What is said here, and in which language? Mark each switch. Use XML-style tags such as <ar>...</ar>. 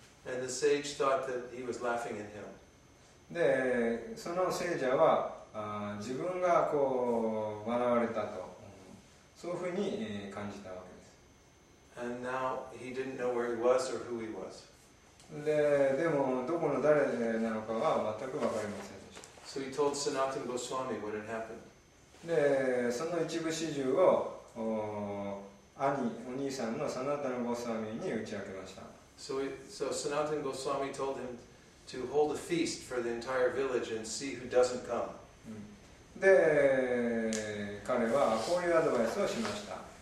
<en>And the sage thought that he was laughing at him.</en> <ja>で、その信者は自分がこう笑われたと、そういうふうに感じたわけです。</ja> <en>And now he didn't know where he was or who he was.</en> <ja>でもどこの誰なのかは全くわかりませんでした。</ja> <en>So he told Sanatana Goswami what had happened.</en> <ja>で、その一部始終を兄、お兄さんのサナタナゴスワミに打ち明けました。</ja> <en>So Sanatana Goswami told him to hold a feast for the entire village and see who doesn't come.</en> <ja>で、彼はこういうアドバイスをしました。</ja>